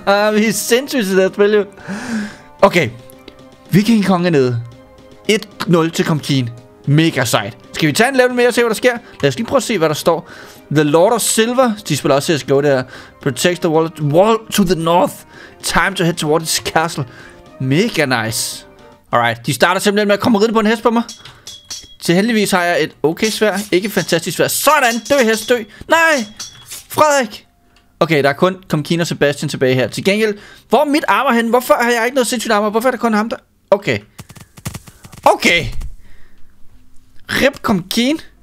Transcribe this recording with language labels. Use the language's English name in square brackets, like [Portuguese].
[Danish] Vi er sindssygt i det her spil, jo. Okay. Vikingkong er nede. 1-0 til Komkin. Mega sejt. Skal vi tage en level mere og se, hvad der sker? Lad os lige prøve at se, hvad der står. [English] The Lord of Silver. [Danish] De spiller også CSGO, det her. [English] Protect the wall to the north. Time to head towards its castle. [Danish] Mega nice. Alright, de starter simpelthen med at komme ridende på en hest på mig. Til heldigvis har jeg et okay svær, ikke et fantastisk svær. Sådan, dø hest, dø. Nej, Frederik. Okay, der er kun Komkin og Sebastian tilbage her. Til gengæld, hvor er mit armor hen? Hvorfor har jeg ikke noget sindssygt armor? Hvorfor er der kun ham der? Okay. Okay. Rip Komkin.